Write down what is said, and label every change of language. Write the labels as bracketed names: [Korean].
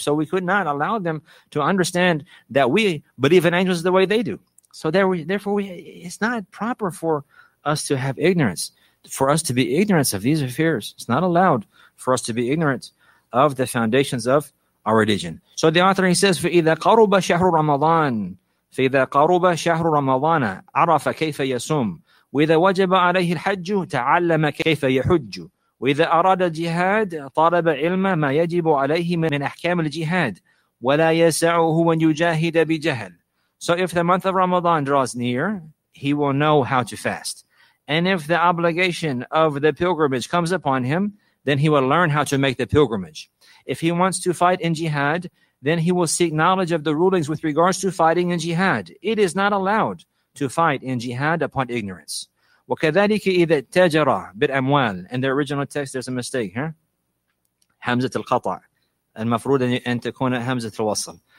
[English] So we could not allow them to understand that we believe in angels the way they do. So therefore, it's not proper for us to have ignorance, for us to be ignorant of these affairs. It's not allowed for us to be ignorant of the foundations of our religion. So the author, he says, [Arabic] فَإِذَا قَرُبَ شَهْرُ رَمَضَانَ فَإِذَا قَرُبَ شَهْرُ رَمَضَانَ عَرَفَ كَيْفَ يَسُومُ وَإِذَا وَجَبَ عَلَيْهِ الْحَجُّ تَعَلَّمَ كَيْفَ يَحُجُّ وَإِذَا أَرَادَ جِهَادَ طَلَبَ عِلْمَ مَا يَجِبُ عَلَيْهِ مِنْ أَحْكَامِ الْجِهَادِ وَلَا يَسَعُهُ أَنْ يُجَاهِدَ بِجَهْلٍ. [English] So if the month of Ramadan draws near, he will know how to fast. And if the obligation of the pilgrimage comes upon him, then he will learn how to make the pilgrimage. If he wants to fight in jihad, then he will seek knowledge of the rulings with regards to fighting in jihad. It is not allowed to fight in jihad upon ignorance. [Arabic] وَكَذَلِكَ إِذَا تَجَرَى بِالْأَمْوَالِ. [English] In the original text, there's a mistake here. [Arabic] حَمْزَة الْقَطَعِ. المفروض أن تكون حَمْزَة الْوَصَلِ.